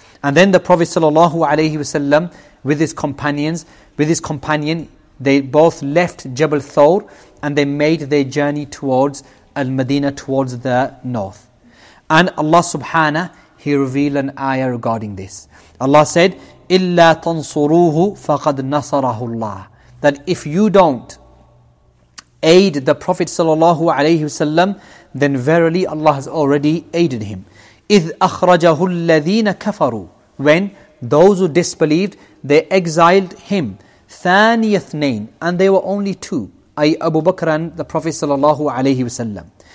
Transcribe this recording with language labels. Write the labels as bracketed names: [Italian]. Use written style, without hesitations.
[English] And then the Prophet sallallahu alayhi wasallam, with his companion, they both left Jabal Thawr and they made their journey towards Al-Madinah, towards the north. And Allah subhanahu, He revealed an ayah regarding this. Allah said, [Arabic] إِلَّا تَنْصُرُوهُ فَقَدْ نَصَرَهُ اللَّهُ. [English] That if you don't aid the Prophet sallallahu alaihi wasallam, then verily Allah has already aided him. [Arabic] إِذْ أَخْرَجَهُ الَّذِينَ كَفَرُوا. [English] When those who disbelieved, they exiled him. [Arabic] ثَانِيَثْنَيْنَ. [English] And they were only two. Ay Abu Bakr and the Prophet sallallahu alaihi wasallam.